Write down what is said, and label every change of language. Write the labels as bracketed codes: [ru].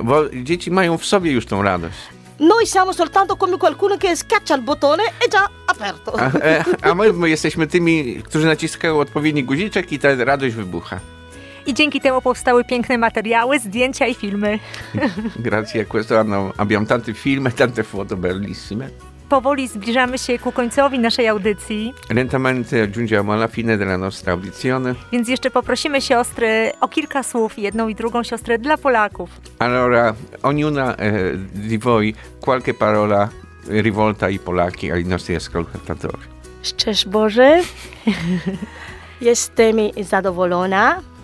[pl] Bo dzieci mają w sobie już tą radość. [it] Noi siamo soltanto come qualcuno che schiaccia il bottone e già aperto. [pl] A my jesteśmy tymi, którzy naciskają odpowiedni guziczek i ta radość wybucha. I dzięki temu powstały piękne materiały, zdjęcia i filmy. [it] Grazie a questo hanno, abbiamo tante filmy, tante foto bellissime. [pl] Powoli zbliżamy się ku końcowi naszej audycji. [it] Lentamente giungiamo alla fine della nostra audizione. [pl] Więc jeszcze poprosimy siostry o kilka słów, jedną i drugą siostrę dla Polaków. [it] Allora, ognuna di voi qualche parola rivolta ai Polacchi, ai nostri ascoltatori. [pl] Szczęść Boże, jestem zadowolona.